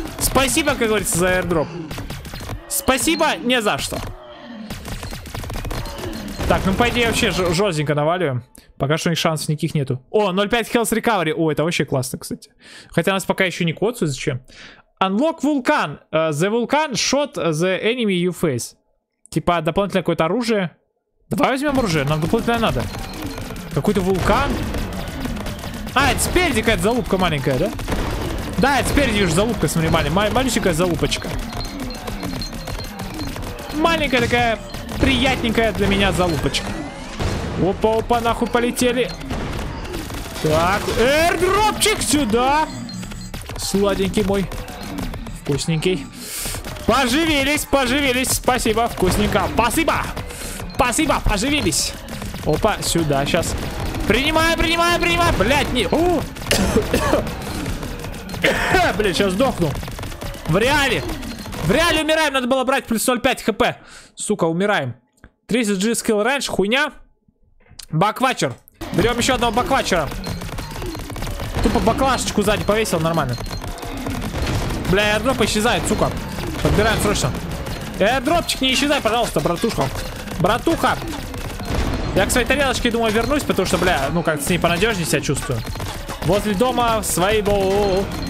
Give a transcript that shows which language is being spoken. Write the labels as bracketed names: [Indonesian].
[Russian] Спасибо, как говорится, за аирдроп. Спасибо не за что. Так, ну по идее вообще жёстенько наваливаем. Пока что у них шансов никаких нету. [English] О, 0.5 health recovery. [Russian] О, это вообще классно, кстати. Хотя нас пока еще не коцают, зачем? [English] Unlock vulcan. The vulcan shot the enemy you face. [Russian] Типа дополнительное какое-то оружие. Давай возьмем оружие, нам дополнительное надо. Какой-то вулкан. А, это спереди какая-то залупка маленькая, да? Да, это спереди, вижу, залупка, смотри, маленькая залупочка. Маленькая такая, приятненькая для меня залупочка. Опа, нахуй полетели. Так, эрдропчик сюда. Сладенький мой. Вкусненький. Поживились, спасибо, вкусненько. Спасибо, поживились. Опа, сюда, сейчас. Принимаю. Блядь, не... Блядь, сейчас сдохну. В реале умираем, надо было брать плюс 0.5 хп. Сука, умираем. [English] 30 G skill range, [Russian] хуйня. Баквачер. Берем еще одного баквачера. Тупо баклашечку сзади повесил, нормально. Бля, аирдроп исчезает, сука. Подбираем срочно. Аирдропчик, не исчезай, пожалуйста, братушка. Братуха. Я к своей тарелочке, думаю, вернусь, потому что, бля, ну как-то с ней понадежнее себя чувствую. Возле дома своего